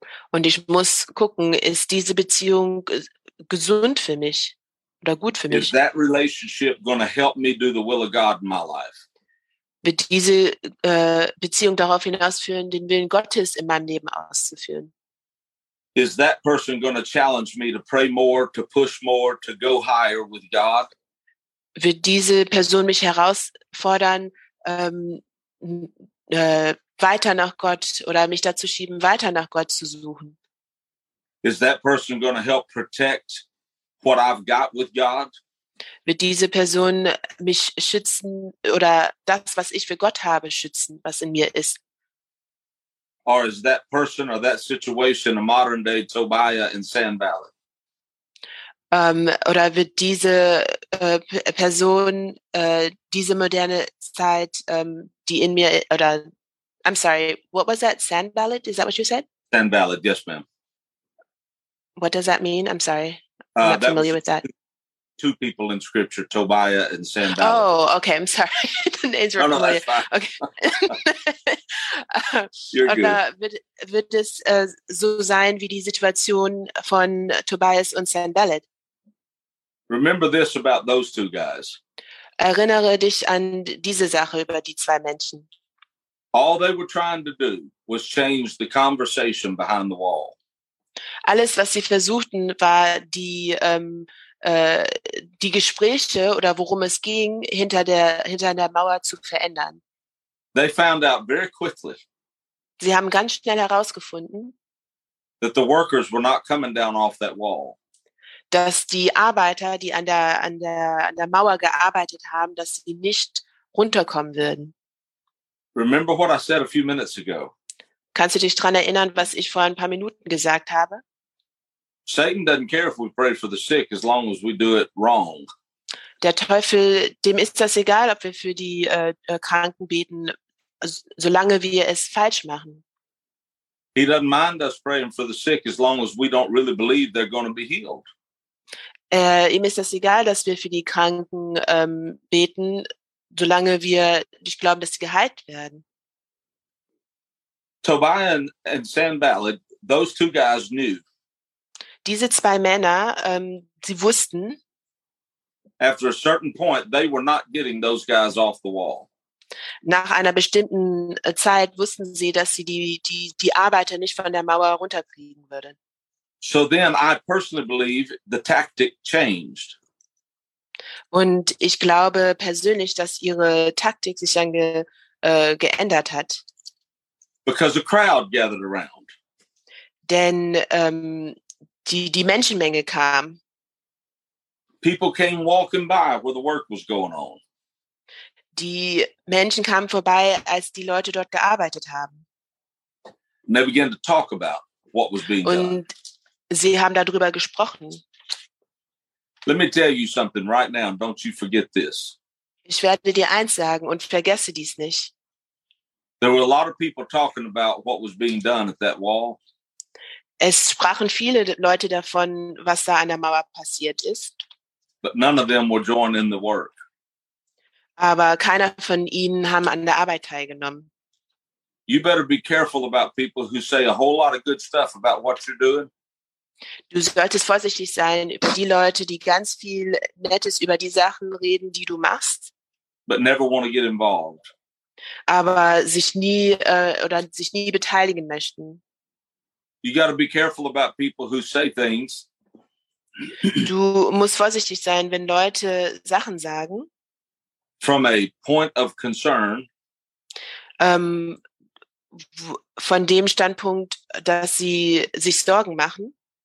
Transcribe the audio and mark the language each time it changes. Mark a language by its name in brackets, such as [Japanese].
[German] Und ich muss gucken, ist diese Beziehung gesund für mich oder gut für mich? [English] Is that relationship going to help me do the will of God in my life? [German] Wird diese Beziehung darauf hinausführen, den Willen Gottes in meinem Leben auszuführen? [English] Is that person going to challenge me to pray more, to push more, to go higher with God? [German] Wird diese Person mich herausfordern, weiter nach Gott oder mich dazu schieben, weiter nach Gott zu suchen? [English] Is that person going to help protect what I've got with God? [German] Wird diese Person mich schützen oder das, was ich für Gott habe, schützen, was in mir ist? [English] Or is that person or that situation a modern day Tobiah in Sand Valley? [German] Oder wird diese Person diese moderne Zeit, die in mir, oder [English] I'm sorry, what was that? Sand Ballad? Is that what you said? Sand Ballad, yes, ma'am. What does that mean? I'm sorry. I'm not familiar with that. Two people in scripture, Tobiah and Sand Ballad. Oh, okay. I'm sorry. The names are familiar. That's fine. Okay. You're good. [German] Wird es so sein wie die Situation von Tobias und Sand Ballad? [English] Remember this about those two guys. [German] Erinnere dich an diese Sache über die zwei Menschen. [English] All they were trying to do was change the conversation behind the wall. [German] Alles, was sie versuchten, war die die Gespräche oder worum es ging, hinter der Mauer zu verändern. [English] They found out very quickly. [German] Sie haben ganz schnell herausgefunden, [English] that the workers were not coming down off that wall. [German] Dass die Arbeiter, die an der Mauer gearbeitet haben, dass sie nicht runterkommen würden. [English] Remember what I said a few minutes ago. [German] Kannst du dich dran erinnern, was ich vor ein paar Minuten gesagt habe? [English] Satan doesn't care if we pray for the sick as long as we do it wrong. [German] Der Teufel, dem ist das egal, ob wir für die Kranken beten, solange wir es falsch machen. [English] He doesn't mind us praying for the sick as long as we don't really believe they're going to be healed. [German] Ihm ist das egal, dass wir für die Kranken beten, solange wir nicht glauben, dass sie geheilt werden. [English] Tobiah and Sanballat, those two guys knew. [German] Diese zwei Männer, sie wussten. [English] After a certain point, they were not getting those guys off the wall. [German] Nach einer bestimmten Zeit wussten sie, dass sie die Arbeiter nicht von der Mauer runterkriegen würden. [English] So then I personally believe the tactic changed. [German] Und ich glaube persönlich, dass ihre Taktik sich dann geändert hat. [English] Because a crowd gathered around. [German] Denn die Menschenmenge kam. [English] People came walking by where the work was going on. [German] Die Menschen kamen vorbei, als die Leute dort gearbeitet haben. [English] And they began to talk about what was being [German] Und [English] done. [German] Sie haben darüber gesprochen. [English] Let me tell you something right now. Don't you forget this. [German] Ich werde dir eins sagen und vergesse dies nicht. [English] There were a lot of people talking about what was being done at that wall. [German] Es sprachen viele Leute davon, was da an der Mauer passiert ist. [English] But none of them were joined in the work. [German] Aber keiner von ihnen haben an der Arbeit teilgenommen. [English] You better be careful about people who say a whole lot of good stuff about what you're doing. [German] Du solltest vorsichtig sein über die Leute, die ganz viel Nettes über die Sachen reden, die du machst. [English] But never want to get involved. [German] Aber sich nie oder sich nie beteiligen möchten. [English] You got to be careful about people who say things. [German] Du musst vorsichtig sein, wenn Leute Sachen sagen. [English] From a point of concern. [German] Von dem Standpunkt, dass sie sich Sorgen machen.